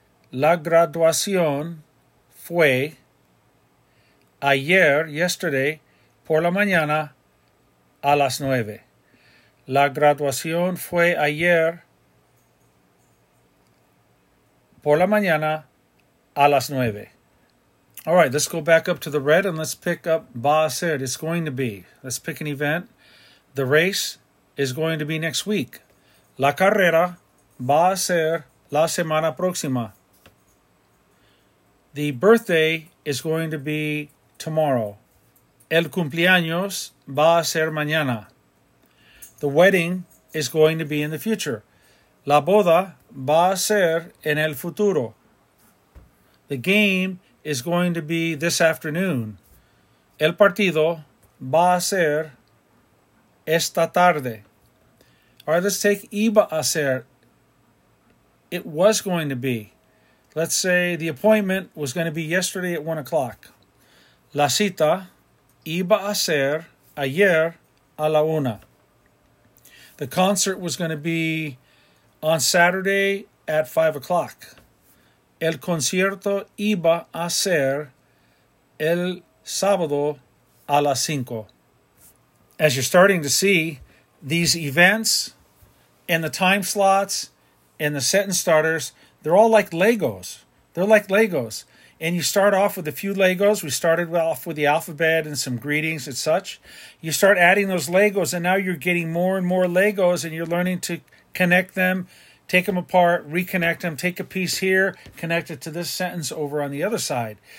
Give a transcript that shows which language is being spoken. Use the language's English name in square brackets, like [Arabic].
[Spanish] La graduación fue yesterday, por la mañana, a las 9. La graduación fue ayer, por la mañana, a las 9. [English] All right, let's go back up to the red and let's pick up [Spanish] Va a ser. [English] It's going to be. Let's pick an event. The race is going to be next week. [Spanish] La carrera va a ser la semana próxima. [English] The birthday is going to be tomorrow. [Spanish] El cumpleaños va a ser mañana. [English] The wedding is going to be in the future. [Spanish] La boda va a ser en el futuro. [English] The game is going to be this afternoon. [Spanish] El partido va a ser esta tarde. [English] All right, let's take [Spanish] iba a ser. [English] It was going to be. Let's say the appointment was going to be yesterday at 1 o'clock. [Spanish] La cita iba a ser ayer a la una. [English] The concert was going to be on Saturday at 5 o'clock. [Spanish] El concierto iba a ser el sábado a las 5. [English] As you're starting to see, these events and the time slots and the sentence starters, they're all like Legos. They're like Legos. And you start off with a few Legos. We started off with the alphabet and some greetings and such. You start adding those Legos, and now you're getting more and more Legos, and you're learning to connect them, take them apart, reconnect them, take a piece here, connect it to this sentence over on the other side.